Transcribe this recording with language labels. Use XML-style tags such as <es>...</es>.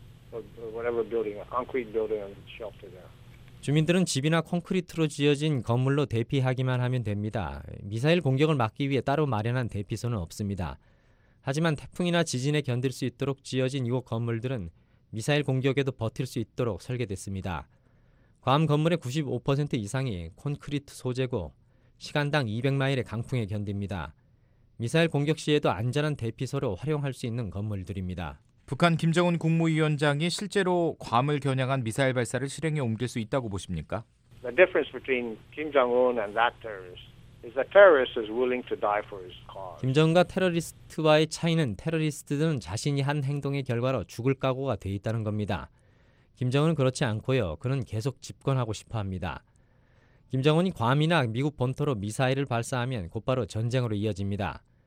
<en>Whatever building, a concrete building and shelter there.</en> <ko>주민들은 집이나 콘크리트로 지어진 건물로 대피하기만 하면 됩니다. 미사일 공격을 막기 위해 따로 마련한 대피소는 없습니다. 하지만 태풍이나 지진에 견딜 수 있도록 지어진 이곳 건물들은 미사일 공격에도 버틸 수 있도록 설계됐습니다. 괌 건물의 95% 이상이 콘크리트 소재고 시간당 200마일의 강풍에 견딥니다. 미사일 공격 시에도 안전한 대피소로 활용할 수 있는 건물들입니다. 북한 김정은 국무위원장이 실제로 괌을 겨냥한 미사일 발사를 실행에 옮길 수 있다고 보십니까?</ko> <en>The difference between Kim Jong-un and that terrorist is that terrorist is willing to die for his cause.</en> <ko>김정은과 테러리스트와의 차이는 테러리스트들은 자신이 한 행동의 결과로 죽을 각오가 돼 있다는 겁니다. 김정은은 그렇지 않고요. 그는 계속 집권하고 싶어 합니다. 김정은이 괌이나 미국 본토로 미사일을 발사하면 곧바로 전쟁으로 이어집니다.</ko>